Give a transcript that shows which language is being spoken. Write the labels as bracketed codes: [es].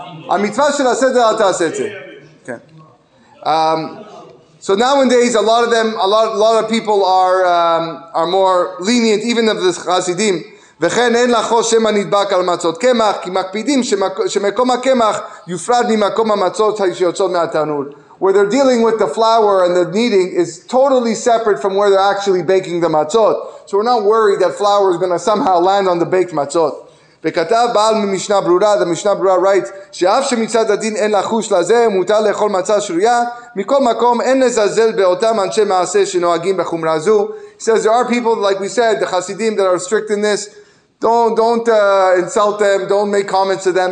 [he] המצווה של הסדר, אל תעשה את זה. כן. [en] So nowadays, a lot of people are more lenient, even of the Hasidim. [he] וכן אין לחוס שם הנדבק על מצות קמח, כי מקפידים שמקום הקמח יופרד ממקום המצות שיוצאות מהתנור. [en] Where they're dealing with the flour and the kneading is totally separate from where they're actually baking the matzot. So we're not worried that flour is going to somehow land on the baked matzot. [he] וכתב בעל ממשנה ברורה, [en] the משנה ברורה writes, [he] שאף שמצד הדין אין לחוש לזה, מותר לאכול מצה שרויה, מכל מקום אין לזלזל באותם אנשי מעשה שנוהגים בחומרה זו. [en] He says, there are people, like we said, the Hasidim that are strict in this, don't insult them, don't make comments to them.